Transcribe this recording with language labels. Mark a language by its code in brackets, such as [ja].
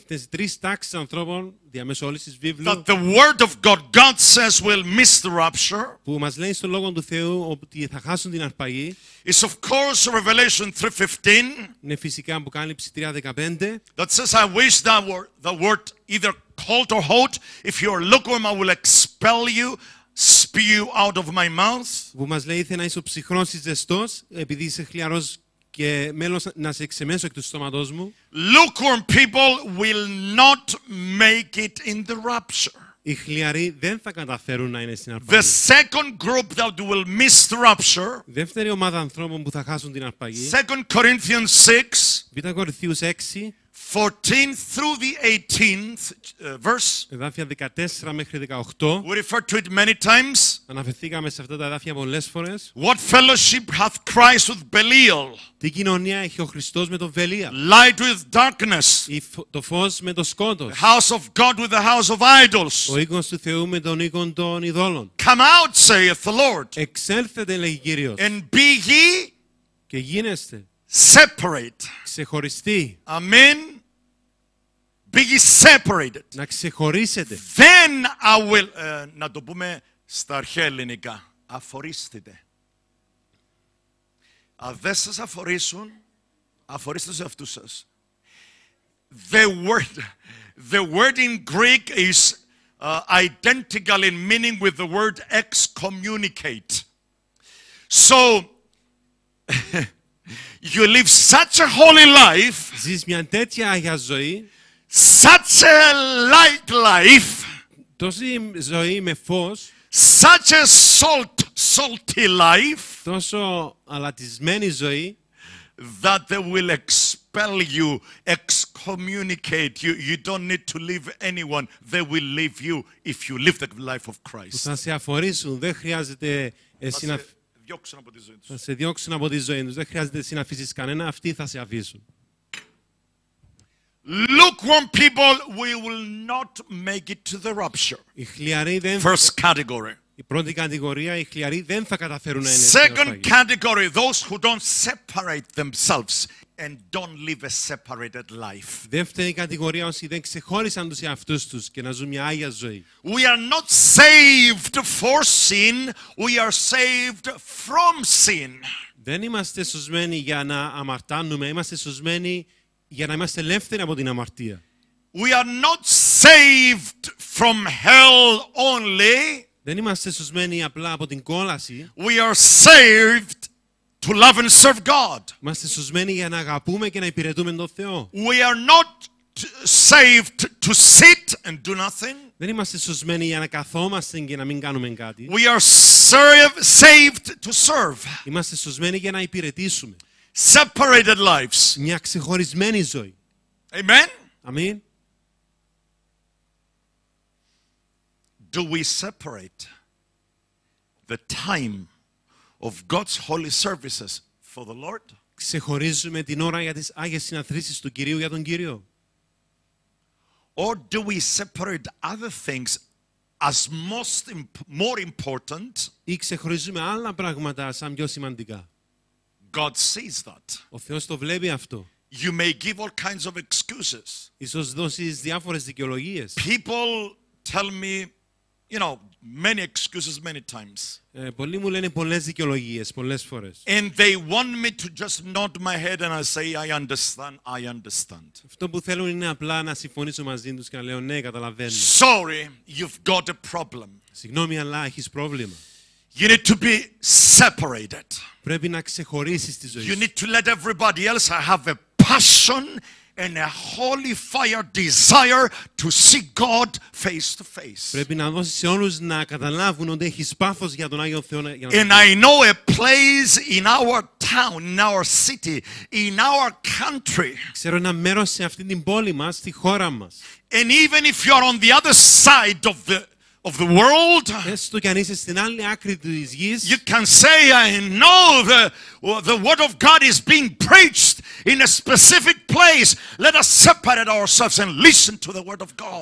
[el] Τρεις τάξεις ανθρώπων διαμέσου όλης της Βίβλου. [en] That the word of God, God says, will miss the rapture. [el] Που μας λέει στο λόγο του Θεού ότι θα χάσουν την αρπαγή. [en] Is of course Revelation 3:15. [el] Είναι φυσικά Αποκάλυψη 3:15. [en] That says, I wish that were the word either cold or hot. If you are lukewarm, I will expel you, spew you out of my mouth. [el] Που μας λέει, θέλω να είσαι ψυχρός ή ζεστός, επειδή είσαι χλιαρός. Και μέλος να σε εξεμένσω εκ του στόματός μου. [en] Lukewarm people will not make it in the rapture. [el] Οι χλιαροί δεν θα καταφέρουν να είναι στην αρπαγή. [en] The second group that will miss the rapture. [el] Δεύτερη ομάδα ανθρώπων που θα χάσουν την αρπαγή. [en] 2 Corinthians 6. [el] Β' Κορινθίους 6. [en] 14 through the 18th verse. [el] Εδάφια 14 μέχρι 18. [en] We refer to it many times. [el] Αναφερθήκαμε σε αυτά τα εδάφια πολλές φορές. [en] What fellowship hath Christ with Belial? [el] Τι κοινωνία έχει ο Χριστός με τον Βελία? [en] Light with darkness. [el] Το φως με το σκότος. [en] House of God with the house of idols. [el] Ο οίκος του Θεού με τον οίκον των ειδώλων. [en] Come out, saith the Lord. [el] Εξέλθετε, λέγει Κύριος. [en] And be ye. [el] Και γίνεστε. [en] Separate. [el] Ξεχωριστεί. [en] Amen. Be ye separated. [el] Να ξεχωρίσετε. [en] Then I will. [el] Να το πούμε στα αρχαία ελληνικά. Αφορίστητε. Αν δεν σας αφορίσουν, αφορίστε τους εαυτούς σας. [en] The word in Greek is identical in meaning with the word excommunicate. So. You live such a holy life. [el] Ζεις μια τέτοια αγιά ζωή. [en] Such a light life. [el] Τόση ζωή με φως. [en] Such a salty life. [el] Τόσο αλατισμένη ζωή. [en] That they will expel you, excommunicate you. You don't need to leave anyone. They will leave you if you live the life of Christ. [el] Θα σε αφορήσουν. Δεν χρειάζεται εσύ να. Θα σε διώξουν από τη ζωή τους. Δεν χρειάζεται εσύ να αφήσεις κανένα. Αυτοί θα σε αφήσουν. [en] Lukewarm people, we will not make it to the rupture. [el] Οι χλιαροί δεν. [en] First category. [el] Η πρώτη κατηγορία, οι χλιαροί δεν θα καταφέρουν να είναι. [en] Second category, those who don't separate themselves and don't live a separated life. [el] Δεύτερη κατηγορία, όσοι δεν ξεχώρισαν τους εαυτούς τους και να ζουν μια άγια ζωή. [en] We are not saved for sin, we are saved from sin. [el] Δεν είμαστε σωσμένοι για να αμαρτάνουμε, είμαστε σωσμένοι για να είμαστε ελεύθεροι από την αμαρτία. [en] We are not saved from hell only. [el] Δεν είμαστε σωσμένοι απλά από την κόλαση. [en] We are saved to love and serve God. [el] Είμαστε σωσμένοι για να αγαπούμε και να υπηρετούμε τον Θεό. [en] We are not saved to sit and do nothing. [el] Δεν είμαστε σωσμένοι για να καθόμαστε και να μην κάνουμε κάτι. [en] We are saved to serve. [el] Είμαστε σωσμένοι για να υπηρετήσουμε. [en] Separated lives. [el] Μια ξεχωρισμένη ζωή. [en] Amen. [el] Αμήν. [en] Do we separate the time of God's holy services for the Lord? [el] Ξεχωρίζουμε την ώρα για τις άγιες συναθρήσεις του Κυρίου για τον Κύριο? [en] Or do we separate other things as most more important? [el] Ή ξεχωρίζουμε άλλα πράγματα σαν πιο σημαντικά? [en] God sees that. [el] Ο Θεός το βλέπει αυτό. [en] You may give all kinds of excuses. [el] Ίσως δώσεις διάφορες δικαιολογίες. [en] People tell me, you know, many excuses, many times. [el] Πολλοί μου λένε πολλές δικαιολογίες, πολλές φορές. [en] And they want me to just nod my head and I say, I understand, I understand. [el] Αυτό που θέλουν είναι απλά να συμφωνήσω μαζί τους και να λέω, ναι, καταλαβαίνω. [en] Sorry, you've got a problem. [el] Συγγνώμη, αλλά έχεις πρόβλημα. [en] You need to be separated. [el] Πρέπει να ξεχωρίσεις τη ζωή σου. [en] You need to let everybody else have a passion and a holy fire desire to see God face to face. [el] Πρέπει να δώσεις σε όλους να καταλάβουν ότι έχεις πάθος για τον Άγιο Θεό. [en] And I know a place in our town, in our city, in our country. [el] Ξέρω ένα μέρος σε αυτήν την πόλη μας, στη χώρα μας. [en] And even if you are on the other side of the world, [el] έστω και αν είσαι στην άλλη άκρη της γης, [en] you can say, I know the word of God is being preached in a specific place. Let us separate ourselves and listen to the word of God.